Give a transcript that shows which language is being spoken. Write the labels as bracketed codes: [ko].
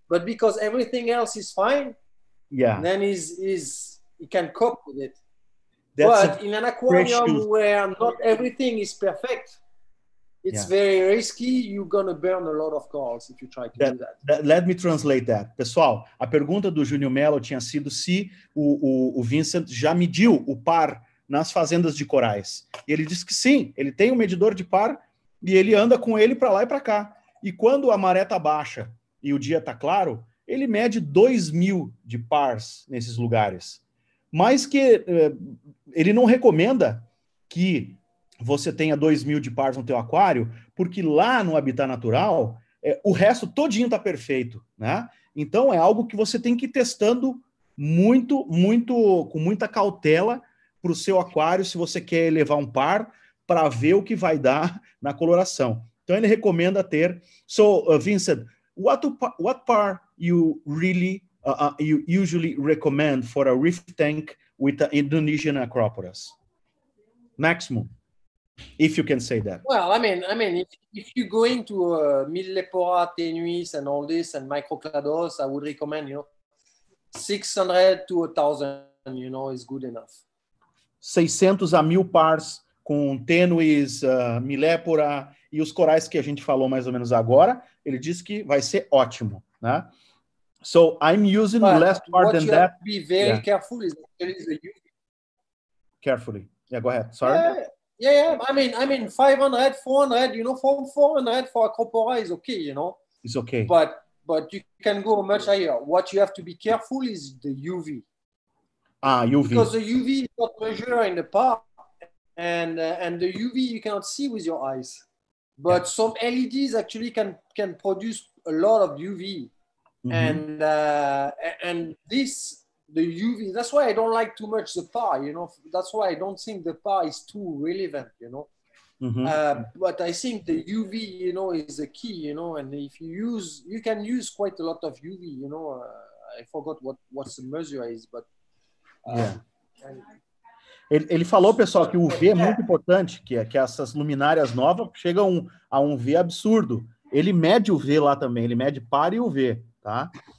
[en] But because everything else is fine, then he can cope with it. But in an aquarium where not everything is perfect, it's very risky. You're going to burn a lot of corals if you try to do that. Let me translate that. [pt] Pessoal, a pergunta do Júnior Mello tinha sido se o Vincent já mediu o PAR nas fazendas de corais. E ele disse que sim, ele tem um medidor de PAR e ele anda com ele para lá e para cá. E quando a maré está baixa e o dia está claro, ele mede 2,000 de PARs nesses lugares. Mas que ele não recomenda que você tenha 2,000 de PARs no teu aquário, porque lá no habitat natural, o resto todinho está perfeito, né? Então é algo que você tem que ir testando muito, muito, com muita cautela, para o seu aquário se você quer levar um par para ver o que vai dar na coloração. Então, ele recomenda ter... [en] So, Vincent, what par you really, you usually recommend for a reef tank with an Indonesian acropora's? Maximum, if you can say that. Well, I mean, if you go into millepora tenuis and all this and microclados, I would recommend, you know, 600 to 1,000, you know, is good enough. [pt] 600 a 1,000 pars com tenuis, milépora e os corais que a gente falou mais ou menos agora, ele disse que vai ser ótimo, né? [en] So, I'm using but less part than that. What you have to be very careful is actually the unit. Carefully. Yeah, go ahead. Sorry. Yeah. I mean, 500, 400, you know, 400 for acropora is okay, you know. It's okay. But you can go much higher. What you have to be careful is the UV. Ah, UV. Because the UV is not measured in the park, and the UV you cannot see with your eyes. But some LEDs actually can produce a lot of UV. Mm-hmm. And this, the UV, that's why I don't like too much the par, you know. That's why I don't think the par is too relevant, you know. But I think the UV, you know, is the key, you know, and if you use, you can use quite a lot of UV, you know, I forgot what the measure is, but. [pt] Ele falou, pessoal, que o UV é muito importante, que essas luminárias novas chegam a um UV absurdo. Ele mede o UV lá também, ele mede par e UV, tá?